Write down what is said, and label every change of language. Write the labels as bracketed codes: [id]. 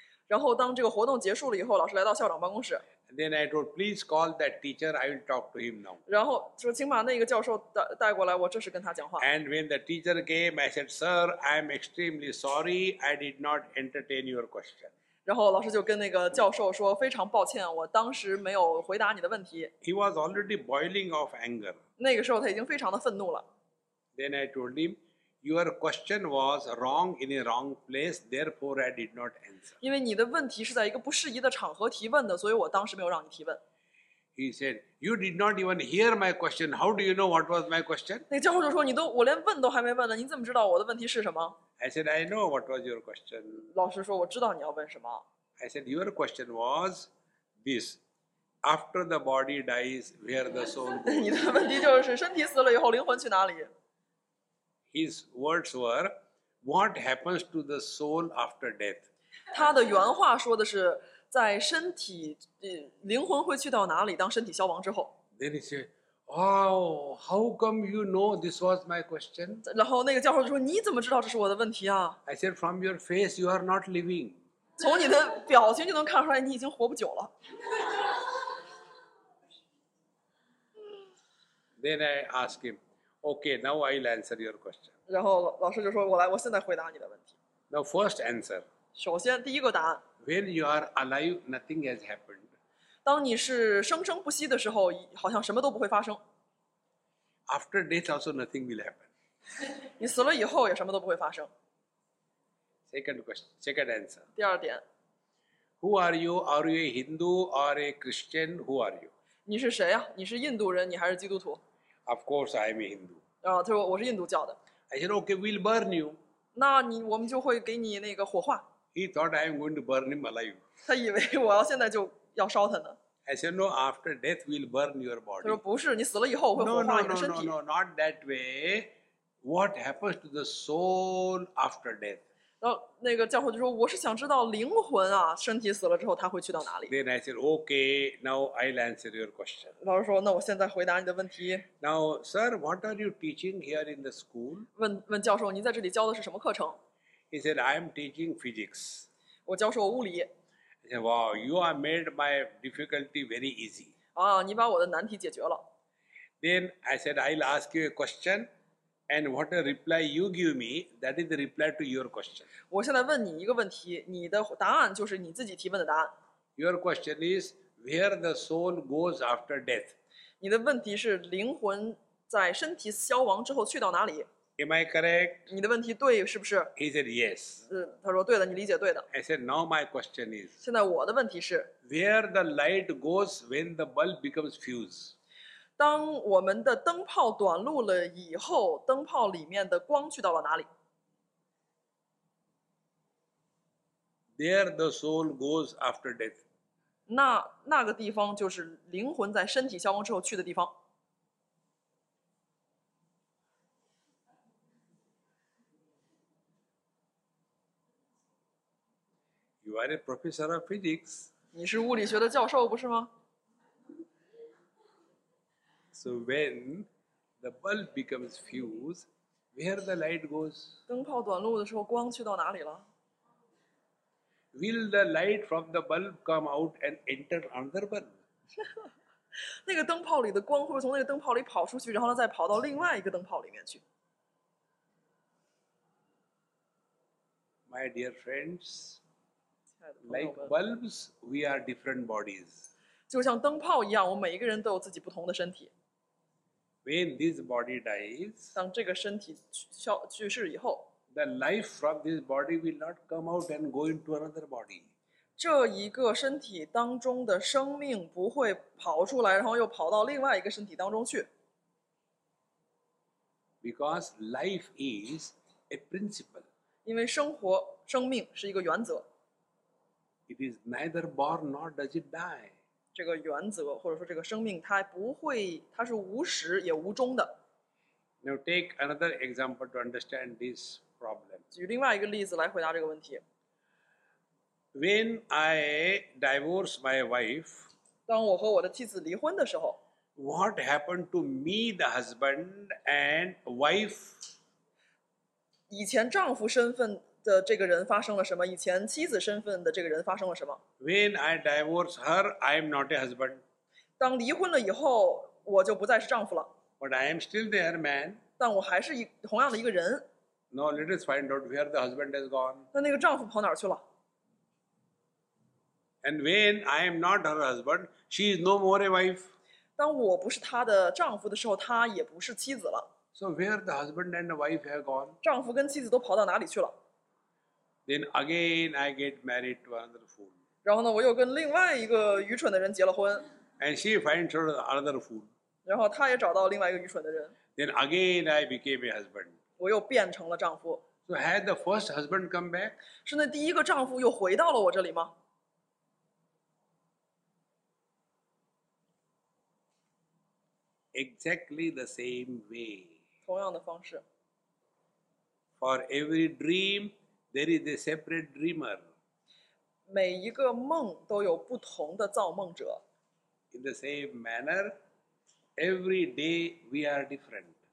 [zh] 然后当这个活动结束了以后，老师来到校长办公室。 [en] Then I told, please call that teacher, I will talk to him now. [zh] 然后说，请把那个教授带过来，我这是跟他讲话。 [en] And when the teacher came, I said, sir, I am extremely sorry, I did not entertain your question. [zh] 然后老师就跟那个教授说，非常抱歉，我当时没有回答你的问题。 [en] He was already boiling of anger. [zh] 那个时候他已经非常的愤怒了。 [en] Then I told him,Your question was wrong in a wrong place, therefore I did not answer. [zh] 因为你的问题是在一个不适宜的场合提问的，所以我当时没有让你提问。 [en] He said, "You did not even hear my question. How do you know what was my question?" [zh] 那教授就说，我连问都还没问呢，你怎么知道我的问题是什么？ [en] I said, "I know what was your question." [zh] 老师说，我知道你要问什么。 [en] I said, "Your question was this: After the body dies, where the soul goes?" [zh] 你的问题就是，身体死了以后，灵魂去哪里？ [en] His words were, "What happens to the soul after death?" [zh] 他的原话说的是，在身体，灵魂会去到哪里？当身体消亡之后。 [en] Then he said, "Wow, how come you know this was my question?" [zh] 然后那个教授就说，你怎么知道这是我的问题啊 [en] ？I said, "From your face, you are not living." [zh] 从你的表情就能看出来，你已经活不久了。 [en] Then I asked him. Okay, now I'll answer your question. [zh] 然后老师就说，我现在回答你的问题。 [en] Now first answer. [zh] 首先第一个答案。 [en] When you are alive, nothing has happened. [zh] 当你是生生不息的时候，好像什么都不会发生。 [en] After death also nothing will happen. [zh] 你死了以后也什么都不会发生。 [en] Second question, second answer. [zh] 第二点。 [en] Who are you? Are you a Hindu or a Christian? Who are you? [zh] 你是谁呀？你是印度人，你还是基督徒？ [en] Of course, I am a Hindu. [zh] 他说我是印度教的。 [en] I said, okay, we'll burn you. [zh] 那你我们就会给你那个火化。 [en] He thought I am going to burn him alive. [zh] 他以为我要现在就要烧他呢。 [en] I said, no, after death, we'll burn your body. [zh] 他说不是，你死了以后会火化你的身体。 [en] No, not that way. What happens to the soul after death? [zh] 然后那个教授就说，我是想知道灵魂啊，身体死了之后他会去到哪里。 [en] Then I said, okay, now I'll answer your question. [zh] 老师说，那我现在回答你的问题。 [en] Now, sir, what are you teaching here in the school? [zh] 问教授，你在这里教的是什么课程？ [en] He said, I'm teaching physics. [zh] 我教授物理。 [en] I said, wow, you have made my difficulty very easy. [zh] 啊，你把我的难题解决了。 [en] Then I said, I'll ask you a question. And what a reply you give me, that is the reply to your question. [zh] 我现在问你一个问题，你的答案就是你自己提问的答案。 [en] Your question is where the soul goes after death. [zh] 你的问题是灵魂在身体消亡之后去到哪里。 [en] Am I correct? [zh] 你的问题对是不是？ [en] He said yes. [zh] 他说对的，你理解对的。 [en] I said now my question is. [zh] 现在我的问题是。 [en] Where the light goes when the bulb becomes fused. [zh] 当我们的灯泡短路了以后，灯泡里面的光去到了哪里 [en] ？There the soul goes after death. [zh] 那个地方就是灵魂在身体消亡之后去的地方。 [en] You are a professor of physics. [zh] 你是物理学的教授，不是吗？ [en] So when the bulb becomes fused, where the light goes? [zh] 灯泡短路的时候，光去到哪里了？ [en] Will the light from the bulb come out and enter another bulb? [zh] 那个灯泡里的光会不会从那个灯泡里跑出去，然后再跑到另外一个灯泡里面去？ [en] My dear friends, Like bulbs, we are different bodies. [zh] 就像灯泡一样，我们每一个人都有自己不同的身体。 [en] When this body dies, [zh] 当这个身体去世以后 [en] ，the life from this body will not come out and go into another body. [zh] 这一个身体当中的生命不会跑出来，然后又跑到另外一个身体当中去。 [en] Because life is a principle. [zh] 因为生活生命是一个原则。 [en] It is neither born nor does it die. [zh] 这个原则或者说这个生命它不会它是无始也无终的。 [en] Now take another example to understand this problem. [zh] 举另外一个例子来回答这个问题。 [en] When I divorce my wife, [zh] 当我和我的妻子离婚的时候 [en] what happened to me, the husband and wife? [zh] 以前丈夫身份的这个人发生了什么？以前妻子身份的这个人发生了什么 [en] ？When I divorce her, I am not a husband. [zh] 当离婚了以后，我就不再是丈夫了。 [en] But I am still the other man. [zh] 但我还是同样的一个人。 [en] No, let us find out where the husband has gone. [zh] 那个丈夫跑哪儿去了 [en] ？And when I am not her husband, she is no more a wife. [zh] 当我不是她的丈夫的时候，她也不是妻子了。 [en] So where the husband and the wife have gone? [zh] 丈夫跟妻子都跑到哪里去了？ [en] Then again, I get married to another fool. [zh] 然后呢，我又跟另外一个愚蠢的人结了婚。 [en] And she finds another fool. [zh] 然后她也找到另外一个愚蠢的人。 [en] Then again, I became a husband. [zh] 我又变成了丈夫。 [en] So had the first husband come back? [zh] 是那第一个丈夫又回到了我这里吗 [en] ？Exactly the same way. [zh] 同样的方式。 [en] For every dream. There is a separate dreamer. [zh] 每一个梦都有不同的造梦者。 [en] In the same manner, every day we are different.